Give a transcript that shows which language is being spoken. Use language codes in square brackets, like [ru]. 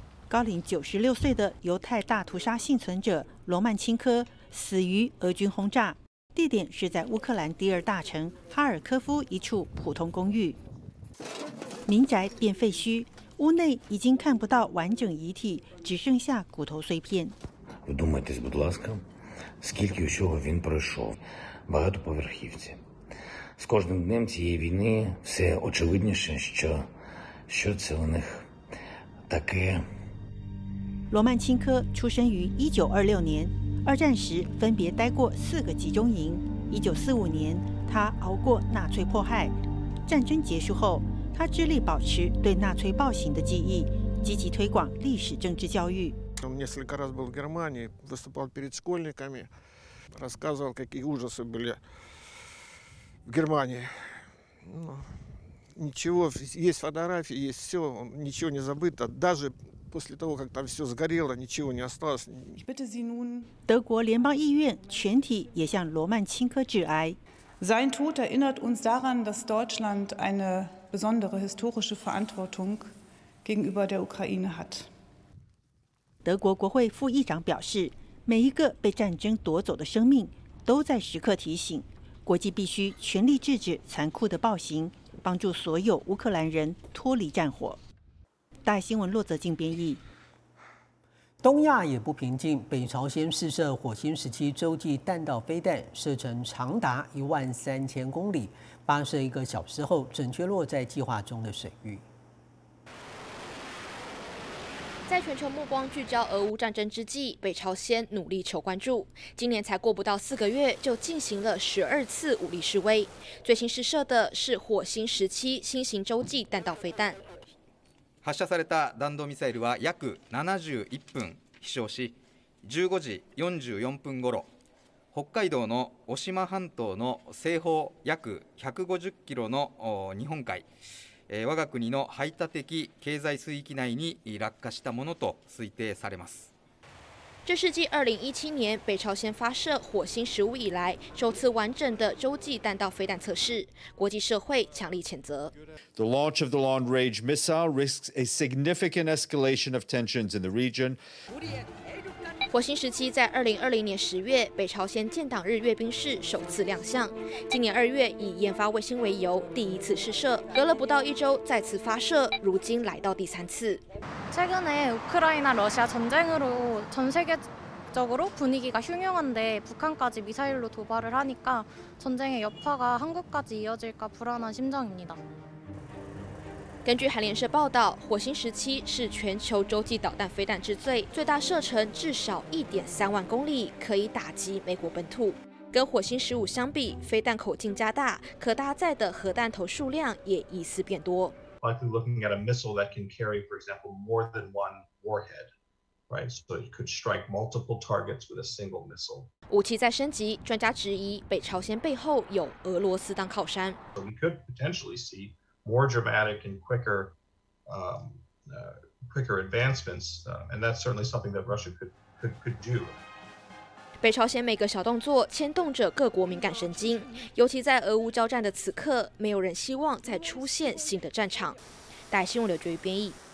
[zh] 高龄96岁的犹太大屠杀幸存者罗曼钦科死于俄军轰炸，地点是在乌克兰第二大城哈尔科夫一处普通公寓。民宅变废墟。屋内已经看不到完整遗体，只剩下骨头碎片。 [uk] Вдумайтесь, будь ласка, скільки усього він пройшов, багато поверхівці. З кожним днем цієї війни все очевидніше, що це у них таке. [zh] 罗曼钦科出生于1926年，二战时分别待过4个集中营。 1945年，他熬过纳粹迫害，战争结束后。他致力保持对纳粹暴行的记忆，积极推广历史政治教育。 [ru] Он несколько раз был в Германии, выступал перед школьниками, рассказывал, какие ужасы были в Германии. Ну, ничего, есть фотографии, есть все, ничего не забыто. Даже после того, как там все сгорело, ничего не осталось. [zh] 德国联邦议院全体也向罗曼钦科致哀。 [de] Sein Tod erinnert uns daran, dass Deutschland eine besondere historische Verantwortung gegenüber der Ukraine hat. [zh] 德国国会副议长表示，每一个被战争夺走的生命都在时刻提醒，国际必须全力制止残酷的暴行，帮助所有乌克兰人脱离战火。大新闻骆泽静编译。东亚也不平静，北朝鲜试射火星时期洲际弹道飞弹，射程长达13000公里，发射一个小时后准确落在计划中的水域。在全球目光聚焦俄乌战争之际，北朝鲜努力求关注。今年才过不到四个月，就进行了12次武力示威。最新试射的是火星时期新型洲际弹道飞弹。 [ja] 発射された弾道ミサイルは約71分飛翔し、15時44分ごろ、北海道の渡島半島の西方約150キロの日本海、我が国の排他的経済水域内に落下したものと推定されます。 [zh] 这是继2017年北朝鲜发射火星食物以来首次完整的洲际弹道飞弹测试，国际社会强力谴责。 [en] The launch of the long-range missile risks a significant escalation of tensions in the region. [zh] 火星时期在2020年10月北朝鲜建党日阅兵式首次亮相，今年2月以研发卫星为由第一次试射，隔了不到一周再次发射，如今来到第三次。 [ko] 최근에우크라이나러시아전쟁으로전세계적으로분위기가흉흉한데북한까지미사일로도발을하니까전쟁의여파가한국까지이어질까불안한심정입니다 [zh] 根据韩联社报道，火星时期是全球洲际导弹飞弹之最，最大射程至少1.3万公里，可以打击美国本土。跟火星15相比，飞弹口径加大，可搭载的核弹头数量也疑似变多。 [en] Likely looking at a missile that can carry, for example, more than one warhead, right? So it could strike multiple targets with a single missile. [zh] 武器在升级，专家质疑北朝鲜背后有俄罗斯当靠山。 [en] So we could potentially see more dramatic and quicker, quicker advancements, and that's certainly something that Russia could do. [zh] 北朝鲜每个小动作牵动着各国敏感神经，尤其在俄乌交战的此刻，没有人希望再出现新的战场。大新闻刘觉宇编译。